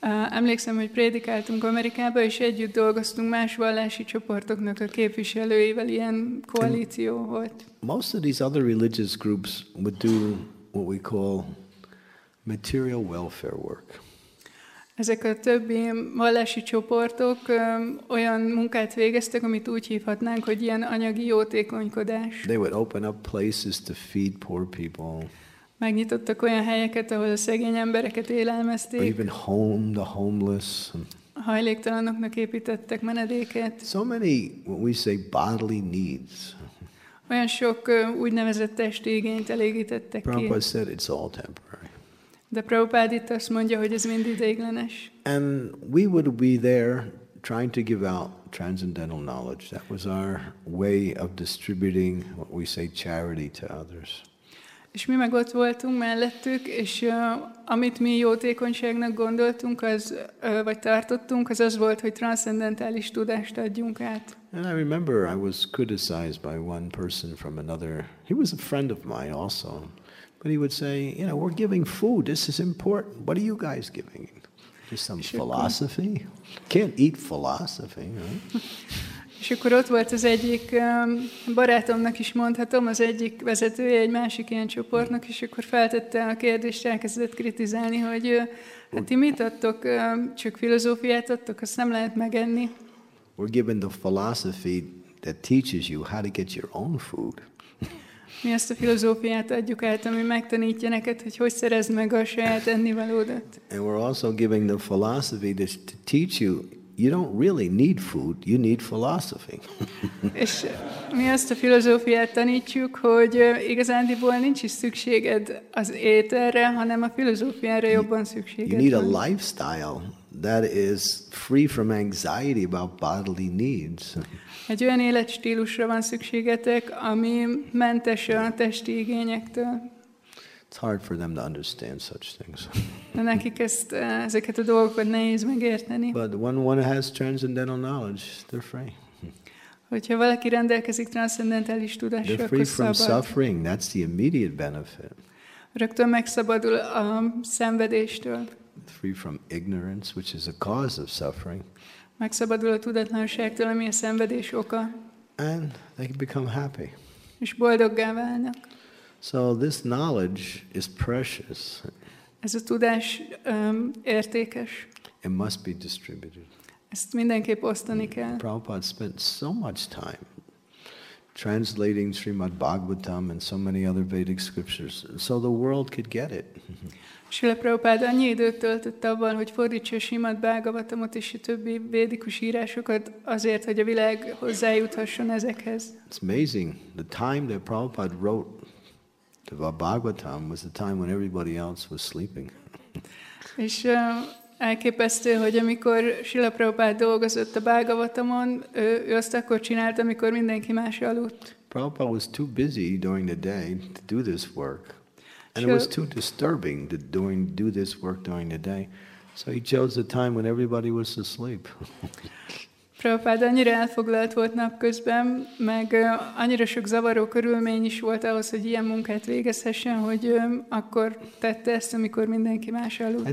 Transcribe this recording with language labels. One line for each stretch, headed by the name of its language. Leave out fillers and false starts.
Hungarian: Emlékszem, hogy prédikáltunk Amerikába, és együtt dolgoztunk más vallási csoportoknak a képviselőivel, ilyen koalíció volt.
English: Most of these other religious groups would do what we call material welfare work.
Hungarian: Ezek a többi vallási csoportok olyan munkát végeztek, amit úgy hívhatnánk, hogy ilyen anyagi jótékonykodás.
English: They would open up places to feed poor people.
Hungarian: Megnyitottak olyan helyeket, ahol a szegény embereket élelmezték.
English: Even home, the homeless.
Hungarian: Hajléktalanoknak építettek menedéket.
English: So many, what we say, bodily needs.
Hungarian: Olyan sok úgynevezett testi igényt elégítettek ki.
English: Prabhupád said it's all temporary.
Hungarian: De Prabhupád itt azt mondja, hogy ez mind ideiglenes.
English: And we would be there trying to give out transcendental knowledge. That was our way of distributing what we say charity to others.
Hungarian: És mi meg ott voltunk mellettük, és amit mi jótékonyságnak gondoltunk, az vagy tartottunk, az az volt, hogy transzcendentális tudást adjunk át.
English: And I remember I was criticized by one person from another. He was a friend of mine also. But he would say, you know, we're giving food. This is important. What are you guys giving? Just some philosophy? Can't eat philosophy, right?
Hungarian: És akkor ott volt az egyik barátomnak is mondhatom, az egyik vezetője egy másik ilyen csoportnak, és akkor feltette a kérdést, elkezdett kritizálni, hogy hát ti mit adtok, csak filozófiát adtok, azt nem lehet megenni.
English: We're given the philosophy that teaches you how to get your own food.
Hungarian: Mi azt a filozófiát adjuk át, ami megtanítja neked, hogy hogy szerezd meg a saját ennivalódat.
English: And we're also giving the philosophy to teach you you don't really need food, you need philosophy.
Hungarian: És mi azt a filozófiát tanítjuk, hogy igazándiból nincs is szükséged az ételre, hanem a filozófiára jobban szükséged van.
English: You need a lifestyle that is free from anxiety about bodily needs.
Hungarian: Egy olyan életstílusra van szükségetek, ami mentes a testi igényektől.
English: It's hard for them to understand such things.
Hungarian: Nekik ezt, ezeket a dolgokat nehéz megérteni.
English: But when one has transcendental knowledge, they're free.
Hungarian: Hogyha valaki rendelkezik transzcendentális tudással, akkor szabad.
English: They're free from suffering. That's the immediate benefit.
Hungarian: Rögtön megszabadul a szenvedéstől.
English: Free from ignorance, which is a cause of suffering.
Hungarian: Megszabadul a tudatlanságtól, ami a szenvedés oka.
English: And they can become happy.
Hungarian: És boldoggá válnak.
English: So this knowledge is precious.
Hungarian: Ez a tudás értékes.
English: It must be distributed.
Hungarian: Ezt mindenképp osztani kell.
English: Prabhupada spent so much time translating Srimad Bhagavatam and so many other Vedic scriptures, so the world could get it.
Hungarian: Srila Prabhupada annyi időt töltött abban, hogy fordítsa Srimad Bhagavatamot és a többi védikus írásokat azért, hogy a világ hozzájuthasson ezekhez.
English: It's amazing. The time that Prabhupada wrote the Bhagavatam was the time when everybody else was sleeping.
Hungarian: És elképesztő, hogy amikor Srila Prabhupada dolgozott a Bhagavatamon, ő azt akkor csinált, amikor mindenki más aludt.
English: Prabhupada was too busy during the day to do this work. And it was too disturbing to do this work during the day. So he chose the time when everybody was asleep.
Hungarian: Prabhupada annyira elfoglalt volt napközben, meg annyira sok zavaró körülmény is volt ahhoz, hogy ilyen munkát végezhessen, hogy akkor tette ezt, amikor mindenki más aludt.